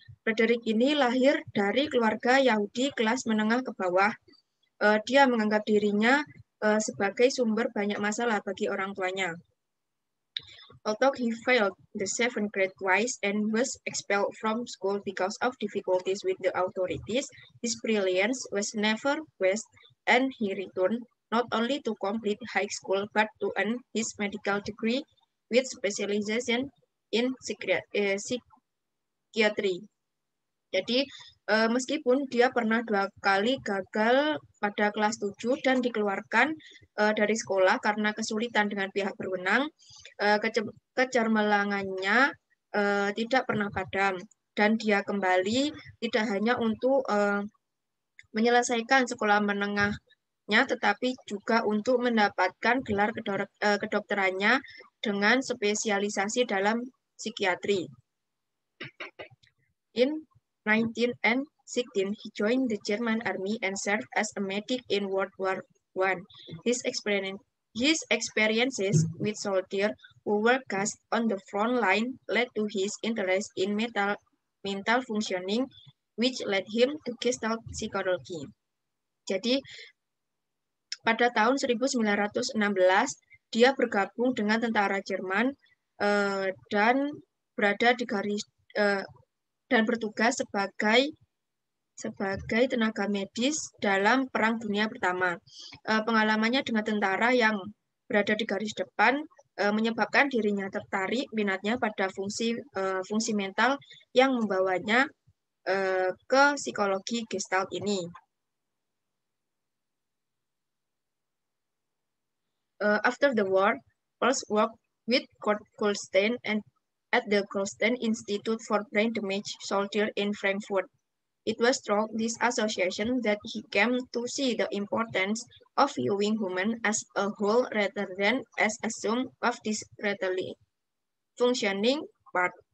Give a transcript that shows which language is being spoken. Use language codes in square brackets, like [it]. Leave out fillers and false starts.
[id] Frederick ini lahir dari keluarga Yahudi kelas menengah ke bawah. Dia menganggap dirinya sebagai sumber banyak masalah bagi orang tuanya. [en] Although he failed the seventh grade twice and was expelled from school because of difficulties with the authorities, his brilliance was never wasted and he returned not only to complete high school but to earn his medical degree with specialization in psychiatry. [id] Jadi, meskipun dia pernah dua kali gagal pada kelas 7 dan dikeluarkan dari sekolah karena kesulitan dengan pihak berwenang, kecemerlangannya tidak pernah padam. Dan dia kembali tidak hanya untuk menyelesaikan sekolah menengahnya, tetapi juga untuk mendapatkan gelar kedokterannya dengan spesialisasi dalam psikiatri. [en] 1916, he joined the German army and served as a medic in World War I. His experiences with soldiers who were cast on the front line led to his interest in mental functioning, which led him to Gestalt psychology. [id] Jadi, pada tahun 1916, dia bergabung dengan tentara Jerman dan berada di garis dan bertugas sebagai tenaga medis dalam Perang Dunia Pertama. Pengalamannya dengan tentara yang berada di garis depan menyebabkan dirinya tertarik minatnya pada fungsi fungsi mental yang membawanya ke psikologi Gestalt ini. [en] After the war, Peirce worked with Kurt Goldstein and at the Goldstein Institute for Brain Damaged Soldiers in Frankfurt. It was through this association that he came to see the importance of viewing human as a whole rather than as a sum of discretely functioning part.